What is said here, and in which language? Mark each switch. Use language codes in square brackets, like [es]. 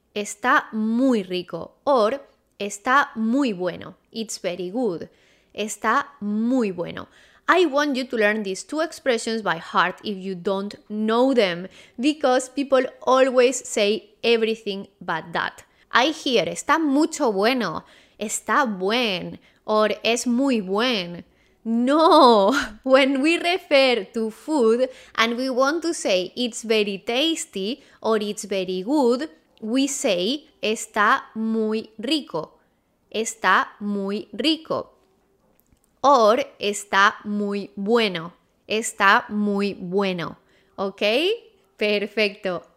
[es] Está muy rico. Or, está muy bueno. [en] It's very good. [es] Está muy bueno. [en] I want you to learn these two expressions by heart if you don't know them, because people always say everything but that. I hear, [es] está mucho bueno, está buen, or es muy buen. [en] No, when we refer to food and we want to say it's very tasty or it's very good, we say [es] está muy rico, está muy rico. Or está muy bueno, está muy bueno. ¿Ok? Perfecto.